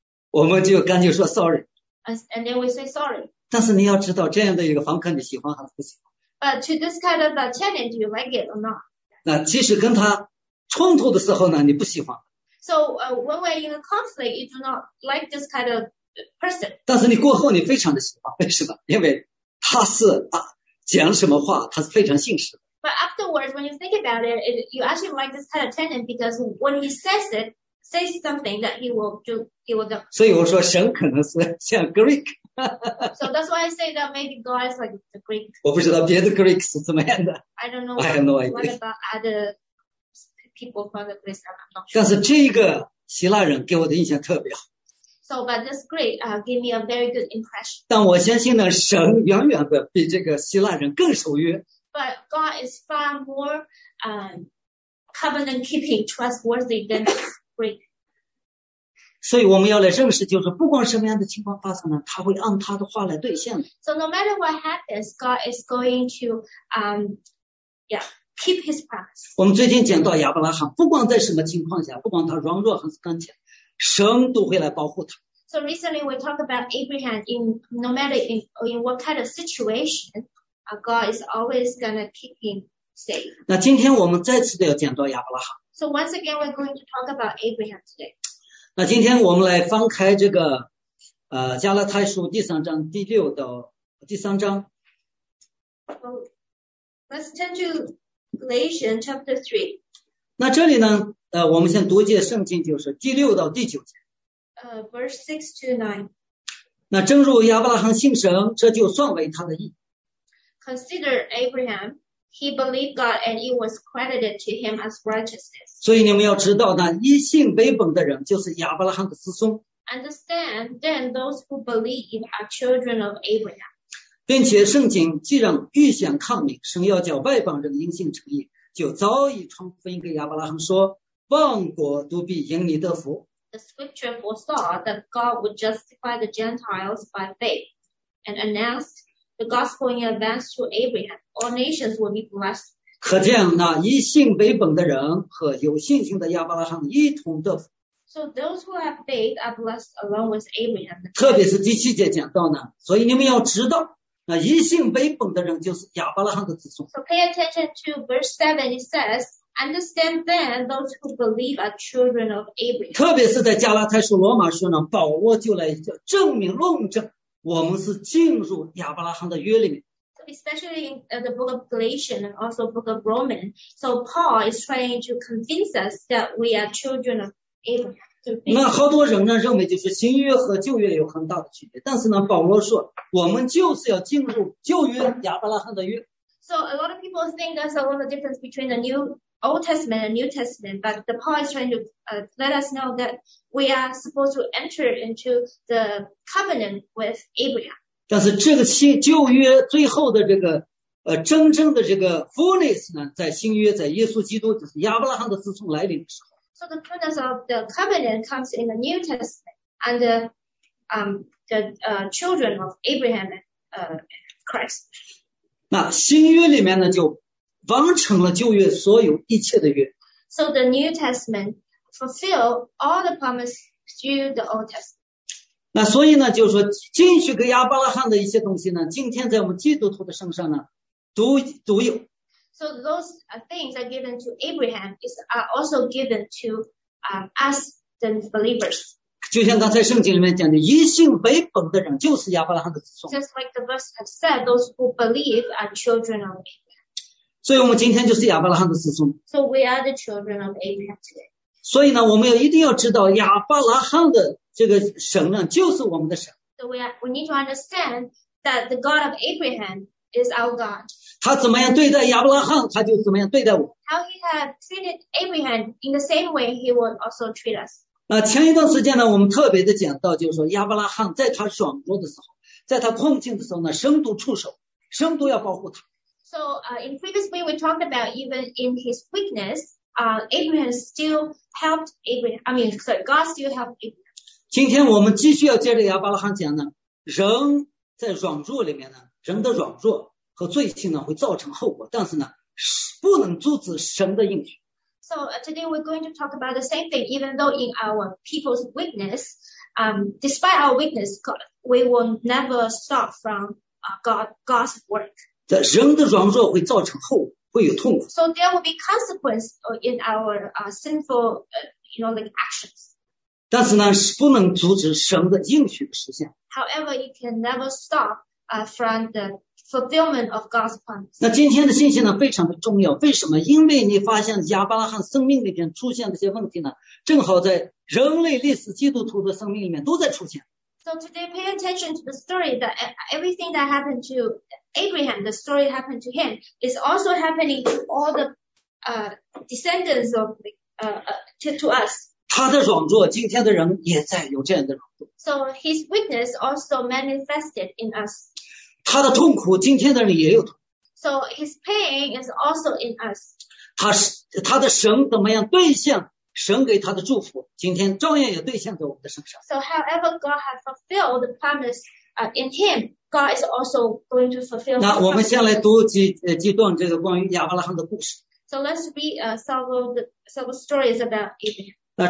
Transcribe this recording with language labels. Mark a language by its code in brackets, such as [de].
[zh] 我们就赶紧说 sorry. [en] And then we say sorry. [zh] 但是你要知道这样的一个房客你喜欢还是不喜欢。 [en] But to this kind of tenant, do you like it or not? [zh] 那即使跟他冲突的时候呢你不喜欢。 [en] So, when we're in a conflict, you do not like this kind of person. [zh] 但是你过后你非常的喜欢为什么因为他是讲什么话他是非常信实的。 [en] But afterwards, when you think about it, you actually like this kind of tenant because when he says it, says something that he will do. [zh] 所以我说神可能是像 Greek. [en] So that's why I say that maybe God is like the Greek. [zh] 我不知道别的 Greek 是怎么样的。 [en] I don't know. I have no idea. What about other people from the Greek? I'm not sure. [zh] 但是这个希腊人给我的印象特别好。 [en] So, but this Greek gave me a very good impression. [zh] 但我相信呢，神远远的比这个希腊人更守约。 [en] But God is far more covenant-keeping, trustworthy than Greek. [zh] 所以我们要来认识，就是不管什么样的情况发生呢，他会按他的话来兑现。 [en] So no matter what happens, God is going to keep His promise. [zh] 我们最近讲到亚伯拉罕，不管在什么情况下，不管他软弱还是刚强，神都会来保护他。 [en] So recently we talked about Abraham. No matter in what kind of situation. God is always gonna keep him safe. [zh] 那今天我们再次的要讲到亚伯拉罕。 [en] So once again, we're going to talk about Abraham today. [zh] 那今天我们来翻开这个加拉太书第三章第六到第三章。 [en] Well, let's turn to Galatians chapter 3. [zh] 那这里呢我们先读一节圣经就是第六到第九节。 [en] Verse 6 to 9. [zh] 那正如亚伯拉罕信神这就算为他的义。 [en] Consider Abraham, he believed God and it was credited to him as righteousness. [zh] 所以你们要知道呢一信为本的人就是亚伯拉罕的子孙。 [en] Understand, then those who believe are children of Abraham. [zh] 并且圣经既然预先抗命神要叫外邦人因信称义就早已传福音给亚伯拉罕说万国都必因你得福。 [en] The scripture foresaw that God would justify the Gentiles by faith and announced the gospel in advance to Abraham, all nations will be blessed. [zh] 可见那以信为本的人和有信心的亚伯拉罕一同得福。 [en] So those who have faith are blessed along with Abraham. [zh] 特别是第七节讲到呢，所以你们要知道，那以信为本的人就是亚伯拉罕的子孙。 [en] So pay attention to verse 7, it says, understand then those who believe are children of Abraham. [zh] 特别是在加拉太书、罗马书呢，保罗就来证明论证。我们是进入亚伯拉罕的约里面。 [en] So especially in the book of Galatians and also book of Romans, so Paul is trying to convince us that we are children of Abraham. [zh] 那好多人呢认为就是新约和旧约有很大的区别，但是呢，保罗说我们就是要进入旧约亚伯拉罕的约。 [en] So a lot of people think there's a lot of difference between the Old Testament and New Testament, but the Paul is trying to let us know that we are supposed to enter into the covenant with Abraham. [zh] 但是这个新旧约最后的这个真正的这个 fullness 呢，在新约，在耶稣基督，就是亚伯拉罕的子孙来临的时候。 [en] So the fullness of the covenant comes in the New Testament and the children of Abraham and Christ. [zh] 那新约里面呢就完成了旧约所有一切的约。 [en] So the New Testament fulfilled all the promises through the Old Testament. [zh] 那所以呢，就是说，进去跟亚伯拉罕的一些东西呢，今天在我们基督徒的身上呢，都有。 [en] So those things are given to Abraham is are also given to us the believers. [zh] 就像刚才圣经里面讲的，以信为本的人就是亚伯拉罕的子孙。 [en] Just like the verse has said, those who believe are children of Abraham. [zh] 所以我们今天就是亚伯拉罕的子孙。 [en] So we are the children of Abraham today. [zh] 所以呢，我们要一定要知道亚伯拉罕的这个神呢，就是我们的神。 [en] So we need to understand that the God of Abraham is our God. [zh] 他怎么样对待亚伯拉罕，他就怎么样对待我。 [en] How he had treated Abraham in the same way he would also treat us. [zh] 那前一段时间呢，我们特别的讲到，就是说亚伯拉罕在他软弱的时候，在他困境的时候呢，神都出手，神都要保护他。 [en] So, in previous week we talked about even in his weakness, Abraham still helped Abraham. God still helped Abraham. [zh] 今天我们继续要接着亚伯拉罕讲呢，人在软弱里面呢，人的软弱和罪性呢会造成后果，但是呢，不能阻止神的应许。 [en] So today we're going to talk about the same thing. Even though in our people's weakness, despite our weakness, God, we will never stop from God's work. [zh] 在人的软弱会造成后果，会有痛苦。 [en] So there will be consequences in our sinful, actions. [zh] 但是呢，是不能阻止神的应许的实现。 [en] However, you can never stop from the fulfillment of God's promise. [zh] 那今天的信息呢非常的重要，为什么？因为你发现亚伯拉罕生命里面出现的这些问题呢，正好在人类历史基督徒的生命里面都在出现。 [en] So today, pay attention to the story that everything that happened to Abraham, the story that happened to him, is also happening to all the descendants of to us. [zh] 他的软弱，今天的人也在有这样的软弱。 [en] So his weakness also manifested in us. [zh] 他的痛苦，今天的人也有痛苦。 [en] So his pain is also in us. [zh] 他的神怎么样兑现神给他的祝福，今天照样也兑现在我们的身上。 [en] So however God has fulfilled the promise in him, God is also going to fulfill. [zh] 那我们先来读几段这个关于亚伯拉罕的故事。 [en] So let's read several stories about Abraham.